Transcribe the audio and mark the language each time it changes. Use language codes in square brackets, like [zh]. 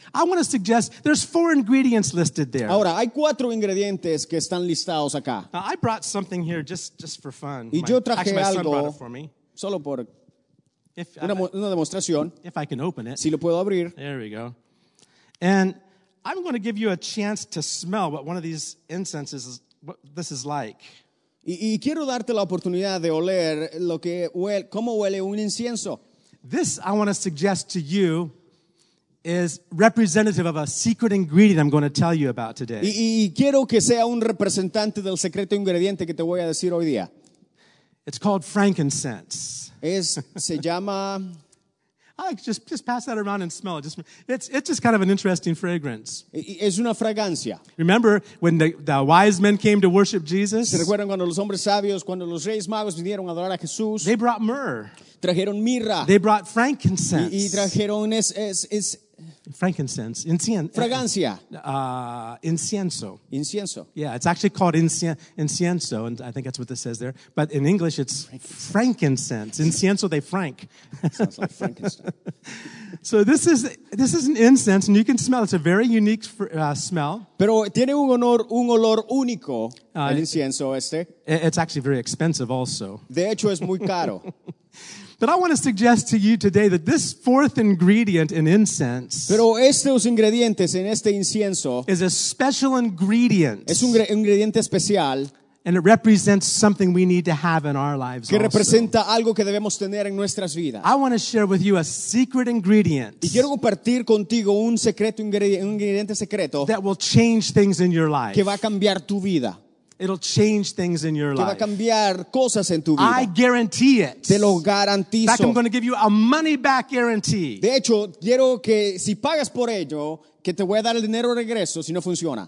[en] I want to suggest there's four ingredients listed there. [es] Ahora, hay cuatro ingredientes que están listados acá. [en] I brought something here just for fun. [es] Y yo traje algo. [en] Actually, my son brought it for me. [es] Solo por una demostración. [en] If I can open it. [es] Si lo puedo abrir. [en] There we go. And I'm going to give you a chance to smell what one of these incenses is, what this is like. [es] Y quiero darte la oportunidad de oler lo que cómo huele un incienso. [en] This I want to suggest to you is representative of a secret ingredient I'm going to tell you about today. [es] Y quiero que sea un representante del secreto ingrediente que te voy a decir hoy día. [en] It's called frankincense. [es] Se llama. [en] Just pass that around and smell it. It's just kind of an interesting fragrance. [es] Es una fragancia. [en] Remember when the wise men came to worship Jesus? [es] ¿Se recuerdan cuando los hombres sabios, cuando los reyes magos vinieron a adorar a Jesús? [en] They brought myrrh. [es] Trajeron mirra. [en] They brought frankincense. [es] Y trajeron es frankincense. Incienso. Fragancia. Incienso. Incienso. [en] Yeah, it's actually called incienso, and I think that's what this says there. But in English, it's frankincense. [es] Incienso de frank. [en] Sounds like Frankenstein. So this is an incense, and you can smell. It's a very unique smell. [es] Pero tiene un olor único, el incienso este. [en] It's actually very expensive also. [es] De hecho, es muy caro. [en] But I want to suggest to you today that this fourth ingredient in incense. [es] Pero estos ingredientes en este incienso [en] is a special ingredient. [es] Es un ingrediente especial. [en] And it represents something we need to have in our lives. [es] Que [en] also. [es] Representa algo que debemos tener en nuestras vidas. [en] I want to share with you a secret ingredient. [es] Y quiero compartir contigo un secreto ingrediente secreto [en] that will change things in your life. [es] Que va a cambiar tu vida. [en] It'll change things in your life. [es] Que va a cambiar cosas en tu vida. [en] I guarantee it. [es] Te lo garantizo. [en] In fact, I'm going to give you a money back guarantee. [es] De hecho, quiero que si pagas por ello, que te voy a dar el dinero regreso si no funciona.